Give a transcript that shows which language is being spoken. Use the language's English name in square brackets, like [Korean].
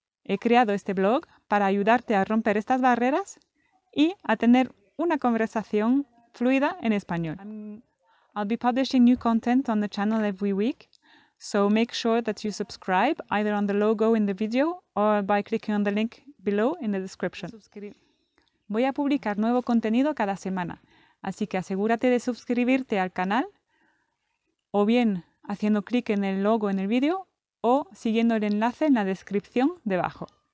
[Spanish] He creado este blog para ayudarte a romper estas barreras y a tener una conversación fluida en español. [English] I'll be publishing new content on the channel every week, so make sure that you subscribe either on the logo in the video or by clicking on the link below in the description. [Spanish] Voy a publicar nuevo contenido cada semana, así que asegúrate de suscribirte al canal o bien haciendo clic en el logo en el video o siguiendo el enlace en la descripción debajo.